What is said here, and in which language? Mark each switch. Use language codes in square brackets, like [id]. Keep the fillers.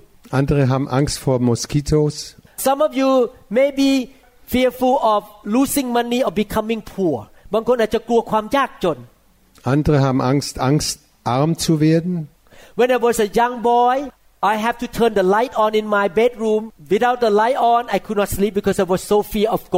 [de] Andere haben Angst vor Moskitos. [en] Some of you may be fearful of losing money or becoming poor. [th] บางคนอาจจะกลัวความยากจน [de] Andere haben Angst Angst arm zu werden [en] When I was a young boy I have to turn the light on in my bedroom. Without the light on, I could not sleep because I was so fear